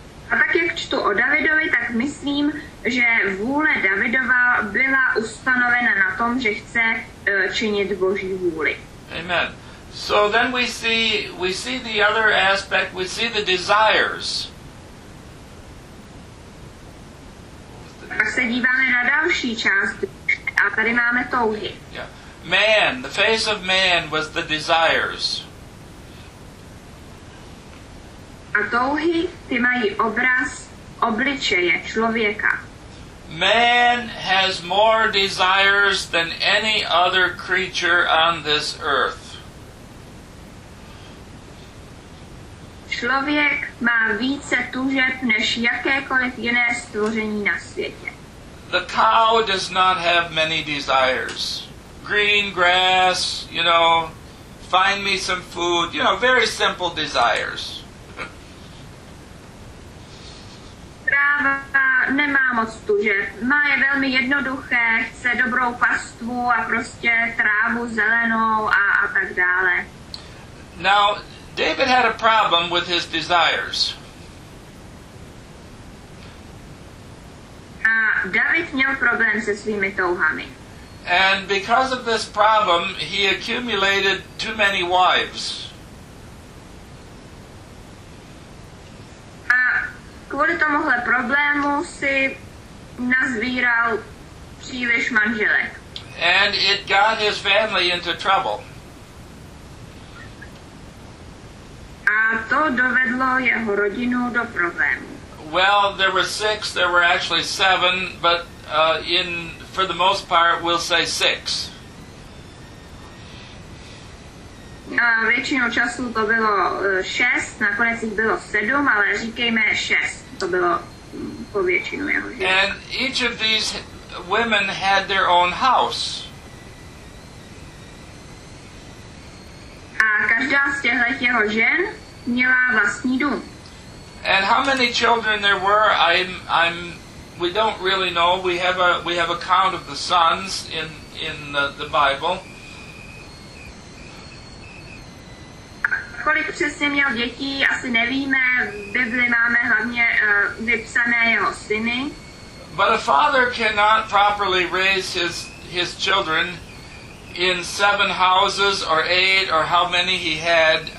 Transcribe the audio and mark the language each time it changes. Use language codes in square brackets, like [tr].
[cs] A tak jak čtu o Davidovi, tak myslím, že vůle Davidova byla ustanovena na tom, že chce činit Boží vůli. [en] Amen. So then we see the other aspect, we see the desires. [cs] A se díváme na další část a tady máme touhy. [en] Yeah. Man, the face of man was the desires. [cs] A touhy, ty mají obraz obličeje člověka. [en] Man has more desires than any other creature on this earth. [cs] Člověk má více tužeb než jakékoliv jiné stvoření na světě. [en] The cow does not have many desires. Green grass, you know, find me some food, you know, very simple desires. [cs] Kráva nemá moc tužeb. Má je velmi jednoduché, chce dobrou pastvu a prostě trávu zelenou a tak dále. [en] Now, David had a problem with his desires. [cs] A David měl problém se svými touhami. [en] And because of this problem, he accumulated too many wives. [cs] Kvůli tomuhle problému si nazbíral příliš manželek. [en] And it got his family into trouble. [cs] A to dovedlo jeho rodinu do problému. [en] Well, there were six, there were actually seven, but for the most part, we'll say six. [cs] Většinou času to bylo šest, nakonec jich bylo sedm, ale říkejme šest. [en] And each of these women had their own house. [cs] A každá z těchto jeho žen měla vlastní dům. [en] And how many children there were, we don't really know. We have a count of the sons in the Bible. [cs] Kolik přesně měl dětí, asi nevíme. V Bibli máme hlavně vypsané jeho syny. [en] But a father cannot properly raise his children in seven houses or eight or how many he had.